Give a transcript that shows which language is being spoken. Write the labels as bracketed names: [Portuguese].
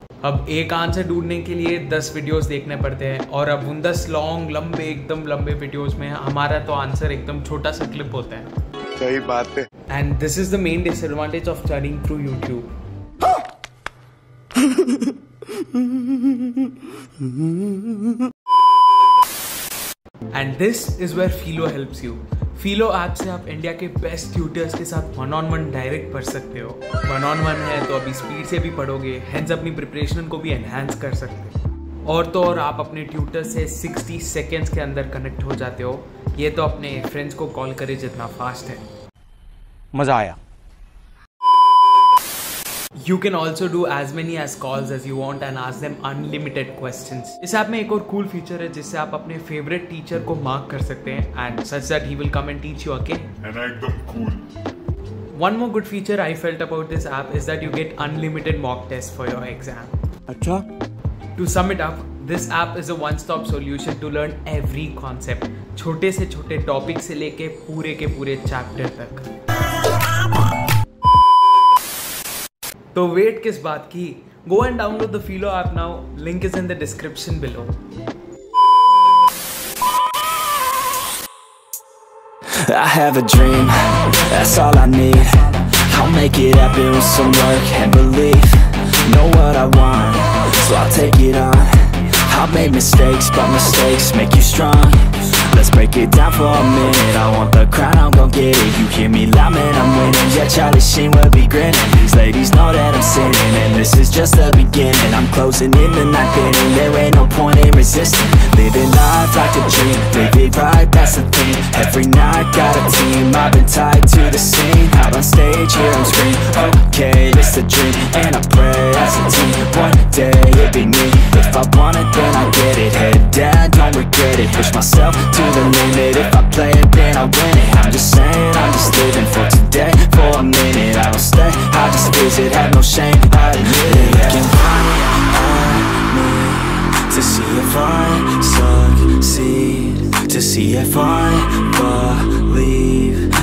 [Hindi] अब एक आंसर ढूंढने के लिए 10 वीडियोस देखने पड़ते हैं, और अब उन 10 लॉन्ग लंबे एकदम लंबे वीडियोस में हमारा तो आंसर एकदम छोटा सा क्लिप होता है। सही बात है। [English] And this is the main disadvantage of studying through YouTube. And this is where Filo helps you. [Hindi] Filo app से आप इंडिया के बेस्ट ट्यूटर्स के साथ वन ऑन वन डायरेक्ट पढ़ सकते हो। वन ऑन वन है तो अभी स्पीड से भी पढ़ोगे, हैंस अपनी प्रिपरेशन को भी एनहेंस कर सकते हो। और तो और आप अपने ट्यूटर से 60 सेकेंड्स के अंदर कनेक्ट हो जाते हो, ये तो अपने फ्रेंड्स को कॉल करे जितना फास्ट है। मजा आया। [English] You can also do as many as calls as you want and ask them unlimited questions. [Hindi] इस ऐप में एक और कूल फीचर है जिससे आप अपने फेवरेट टीचर को मार्क कर सकते हैं [English] and such that he will come and teach you again. [Hindi] And एकदम cool. [English] One more good feature I felt about this app is that you get unlimited mock tests for your exam. [Hindi] अच्छा? [English] To sum it up, this app is a one-stop solution to learn every concept. [Hindi] छोटे से छोटे topic से लेके पूरे के पूरे chapter तक। तो वेट किस बात की, [English] Go and download the Filo app now, link is in the description below. I have a dream, that's all I need, I'll make it happen with some work and believe, know what I want, so I'll take it on, I made mistakes but mistakes make you strong, let's break it down for a minute, I want the crown, I'm gonna get it, you hear me loud man, I'm winning, yeah Charlie Sheen will be grinning, these ladies know that I'm sinning, and this is just the beginning, I'm closing in the night inning, there and no point in resisting, living life like a dream, live it right, that's the thing, every night got a team, I've been tied to the scene, out on stage here on screen, okay this is a dream, and I pray as a team, one day it be me, if I want it, then I get it. Head down, don't regret it. Push myself to the limit. If I play it, then I win it. I'm just saying, I'm just living for today. For a minute, I don't stay. I just visit, have no shame. I admit it. They're looking right at me to see if I succeed, to see if I believe.